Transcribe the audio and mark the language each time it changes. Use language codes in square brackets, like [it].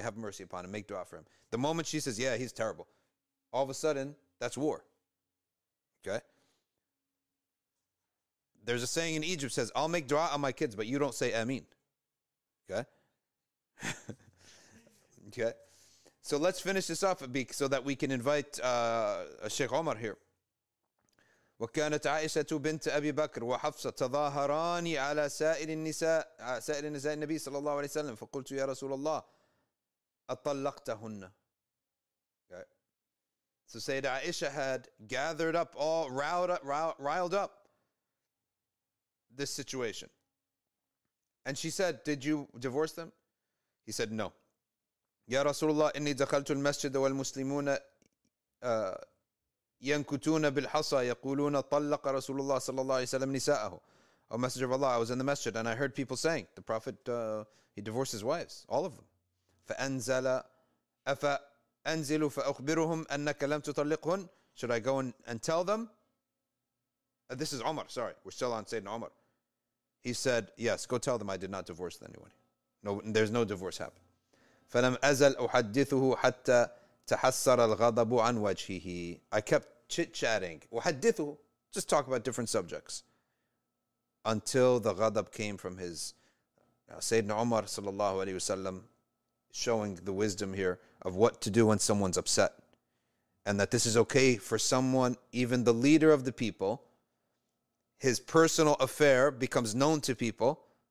[en] Have mercy upon him. Make dua for him. The moment she says, yeah, he's terrible, all of a sudden, that's war. Okay? There's a saying in Egypt says, I'll make dua on my kids, but you don't say ameen. Okay? Okay? So let's finish this off, Abik, so that we can invite Shaykh Omar here. [ar] وكانت عائشة بنت أبي بكر وحفصة تظاهران على سائر النساء النبي صلى الله عليه وسلم فقلت يا رسول الله أطلقتهن. [en] Okay. So Sayyidah Aisha had gathered up, all riled up this situation. And she said, did you divorce them? He said, no. [ar] يا رسول الله إني دخلت المسجد والمسلمون ينكتون بالحصى يقولون طلق رسول الله صلى الله عليه وسلم نساءه. [en] O Messenger of Allah, I was in the masjid and I heard people saying, the Prophet, he divorced his wives, all of them. [ar] فأنزل أفأنزل فأخبرهم أنك لم تطلقهن. [en] Should I go in and tell them? This is Umar, sorry. We're still on Sayyidina Umar. He said, yes, go tell them I did not divorce anyone. No, there's no divorce happened. [ar] فلم أزل أحدثه حتى تحسر الغضب عن وجهه. [en] I kept chit-chatting. [ar] وحدثه, [en] just talk about different subjects. Until the ghadab came from his, Sayyidina Umar sallallahu alayhi wasallam, showing the wisdom here of what to do when someone's upset. And that this is okay for someone, even the leader of the people, his personal affair becomes known to people.